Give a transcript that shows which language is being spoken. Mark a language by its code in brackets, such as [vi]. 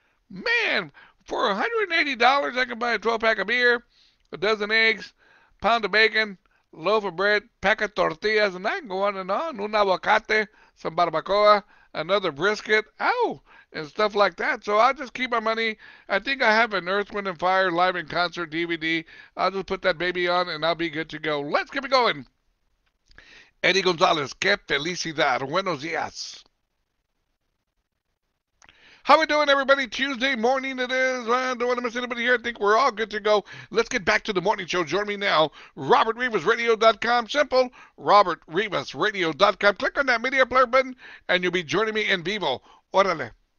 [en] Man, for $180, I can buy a 12-pack of beer, a dozen eggs, a pound of bacon, loaf of bread, pack of tortillas, and I can go on and on. [es] Un aguacate, [en] some barbacoa, another brisket, ow, and stuff like that. So I'll just keep my money. I think I have an Earth, Wind, and Fire live in concert DVD. I'll just put that baby on, and I'll be good to go. Let's keep it going. [es] Eddie Gonzalez, qué felicidad. Buenos días. [en] How we doing, everybody? Tuesday morning it is. I don't want to miss anybody here. I think we're all good to go. Let's get back to the morning show. Join me now. RobertRivasRadio.com. Simple. RobertRivasRadio.com. Click on that media player button, and you'll be joining me in vivo. Órale.